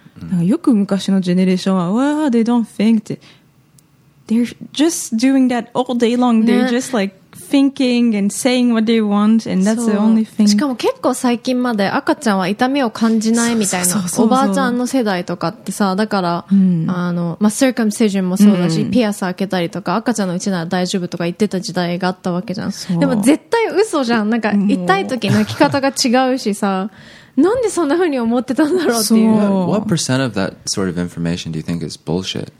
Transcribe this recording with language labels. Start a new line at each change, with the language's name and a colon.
Japanese: なんかよく昔のジェネレーションは、
English: wow, they don't think って they're just doing that all day long、ね、they're just like thinking and saying what they want and that's the only thing。
Japanese: しかも結構最近まで赤ちゃんは痛みを感じないみたいな、そうそうそうそう、おばあちゃんの世代とかってさ、だから、うん、あの、まあ、circumcision もそうだし、うん、ピアス開けたりとか赤ちゃんのうちなら大丈夫とか言ってた時代があったわけじゃん。でも絶対嘘じゃん、なんか痛い時泣き方が違うしさなんでそんな風に思ってたんだろうっていう。
English: What percent of that sort of information do you think is bullshit?